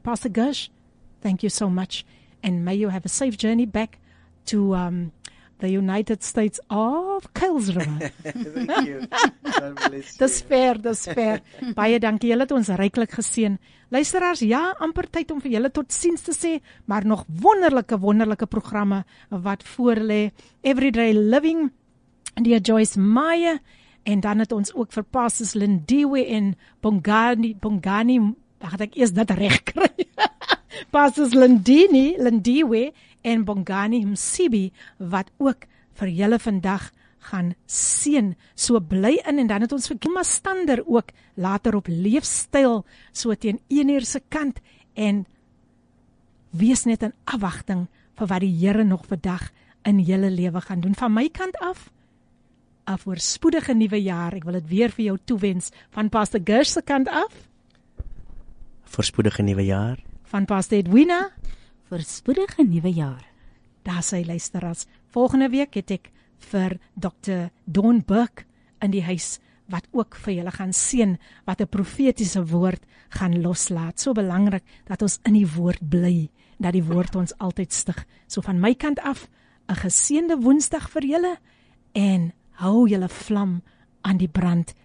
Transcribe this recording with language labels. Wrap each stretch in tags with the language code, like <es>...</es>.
<en>Pastor Gush, thank you so much and may you have a safe journey back to the United States of Kyles River. Thank you. God bless you.</en> <af>Dis fair. Baie dankie. Julle het ons ryklik geseën. Luisteraars, ja, amper tyd om vir julle totsiens te sê, maar nog wonderlike programme wat voorlê. Everyday Living deur Joyce Meyer en dan het ons ook vir Pastors Lindiwe en Bongani, wag, ek eers dit reg kry. Pastors Lindiwe en Bongani Msibi, wat ook vir julle vandag gaan seën. So bly in en dan het ons vir Kima Stander ook later op leefstyl, so teen 1:00 se kant en wees net in afwagting vir wat die Here nog vandag in julle lewe gaan doen. Van my kant af, 'n voorspoedige nuwe jaar. Ek wil dit weer vir jou toewens. Van Pastor Gers se kant af, voorspoedige nuwe jaar. Van Pastor Edwina, voorspoedige nuwe jaar. Daar sy luisteraars. Volgende week het ek vir Dr. Don Burke in die huis wat ook vir julle gaan seën, wat 'n profetiese woord gaan loslaat. So belangrik dat ons in die woord bly, dat die woord ons altyd stig. So van my kant af, 'n geseënde Woensdag vir julle en hou julle vlam aan die brand.</af>